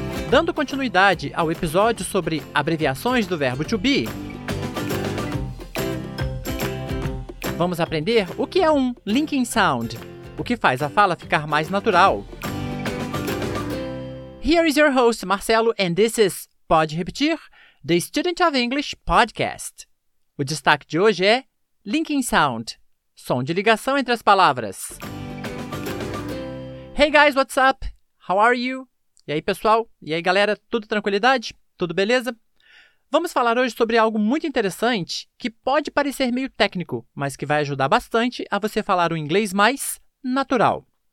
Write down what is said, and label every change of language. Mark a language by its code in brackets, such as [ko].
[pt] Dando continuidade ao episódio sobre abreviações do verbo to be, vamos aprender o que é um linking sound, o que faz a fala ficar mais natural. [en] Here is your host, Marcelo, and this is Pode Repetir, the Student of English podcast. [pt] O destaque de hoje é linking sound, som de ligação entre as palavras. [en] Hey guys, what's up? How are you? [pt] E aí, pessoal? E aí, galera? Tudo tranquilidade? Tudo beleza? Vamos falar hoje sobre algo muito interessante que pode parecer meio técnico, mas que vai ajudar bastante a você falar um inglês mais natural.